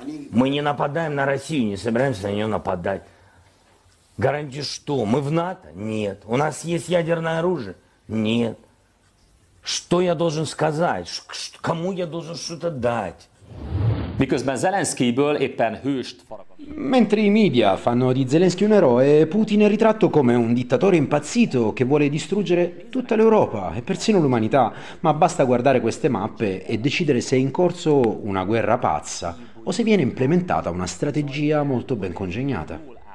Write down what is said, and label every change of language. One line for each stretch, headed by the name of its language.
Russian: Мы не нападаем на Россию, не собираемся на нее нападать. Гарантии что? Мы в НАТО? Нет. У нас есть ядерное оружие? Нет. Что я должен сказать? Кому я должен что-то дать?
Hungarian: Miközben Zelenszkijből éppen hőst faragott.
Italian: Mentre i media fanno di Zelensky un eroe, Putin è ritratto come un dittatore impazzito che vuole distruggere tutta l'Europa e persino l'umanità. Ma basta guardare queste mappe e decidere se è in corso una guerra pazza o se viene implementata una strategia molto ben congegnata.